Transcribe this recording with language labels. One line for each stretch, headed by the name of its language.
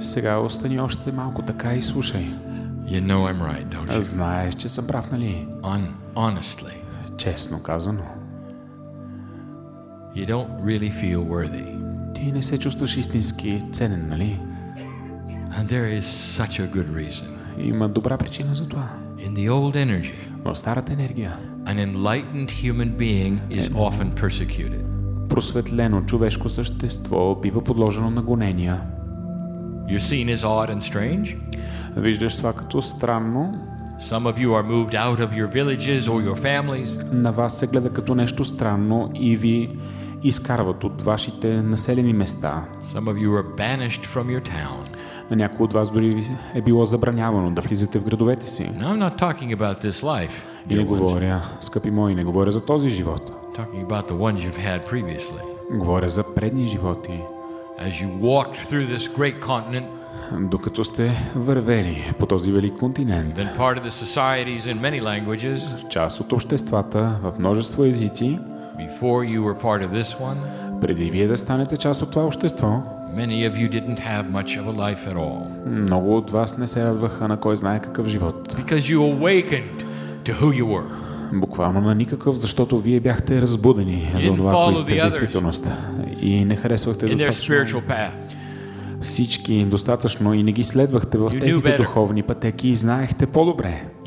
Bulgarian: Сега остани още малко така и слушай.
English: You know I'm right, don't you?
Bulgarian: Знаеш, че съм прав, нали?
English: Honestly.
Bulgarian: Честно казано.
English: You don't really feel worthy.
Bulgarian: Ти не се чувстваш истински ценен, нали?
English: And there is such a good reason.
Bulgarian: Има добра причина за това.
English: In the old energy.
Bulgarian: В старата енергия.
English: An enlightened human being is often persecuted.
Bulgarian: Просветлено човешко същество бива подложено на гонения.
English: You're seen as odd and strange.
Bulgarian: Виждаш това като странно.
English: Some of you are moved out of your villages or your families.
Bulgarian: На вас се гледа като нещо странно и ви изкарват от вашите населени места.
English: Some of you are banished from your town.
Bulgarian: На някои от вас дори е било забранявано да влизате в градовете си.
English: Now I'm not talking about this life.
Bulgarian: И не говоря, скъпи мои, не говоря за този живот.
English: Talking about the ones you've had previously.
Bulgarian: Говоря за предни животи.
English: As you walked through this great continent,
Bulgarian: докато сте вървели по този велик континент,
English: then part of the societies in many languages,
Bulgarian: част от обществата в множество езици,
English: before you were part of this one,
Bulgarian: преди вие да станете част от това общество,
English: many of you didn't have much of a life at all.
Bulgarian: Много от вас не се радваха на кой знае какъв живот.
English: Because you awakened to who you were.
Bulgarian: Буквално на никакъв, защото вие бяхте разбудени за това, кои сте в действителност. И не харесвахте достатъчно всички достатъчно и не ги следвахте в техните духовни пътеки и знаехте по-добре.